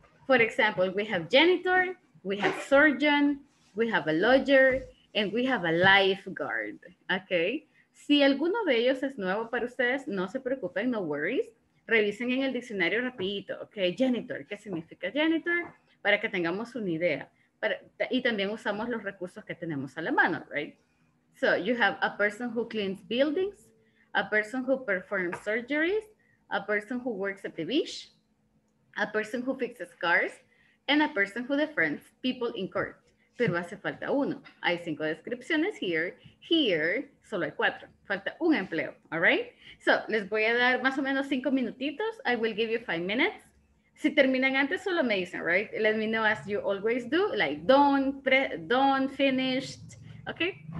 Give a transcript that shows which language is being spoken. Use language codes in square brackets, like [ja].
[en] For example, we have janitor, we have surgeon, we have a lawyer, and we have a lifeguard, okay? [es] Si alguno de ellos es nuevo para ustedes, no se preocupen, [en] no worries. [es] Revisen en el diccionario rapidito, okay? Janitor, ¿qué significa janitor? Para que tengamos una idea. Y también usamos los recursos que tenemos a la mano, right? [en] So, you have a person who cleans buildings, a person who performs surgeries, a person who works at the beach, a person who fixes cars, and a person who defends people in court. [es] Pero hace falta uno. Hay 5 descripciones here. Here, solo hay 4. Falta un empleo, all right? So, les voy a dar más o menos 5 minutitos. [en] I will give you 5 minutes. [es] Si terminan antes, solo me dicen, right? [en] Let me know as you always do, like don't finished, okay?